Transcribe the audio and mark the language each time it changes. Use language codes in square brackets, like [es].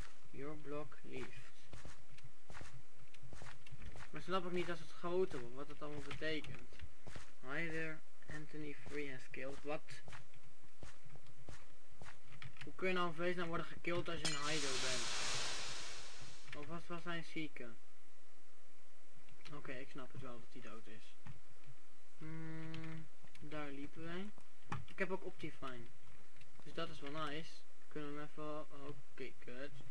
[en] Your block leaves. [nl] Maar snap ik niet als het groter wordt, wat het allemaal betekent. [en] Hi there, Anthony Free has killed. [nl] Wat? Hoe kun je nou een vlees nou worden gekild als je een Hydro bent? Of was hij een zieke? Oké, ik snap het wel dat hij dood is. Daar liepen wij. Ik heb ook Optifine. Dus dat is wel nice. Kunnen we even... Oké, kut.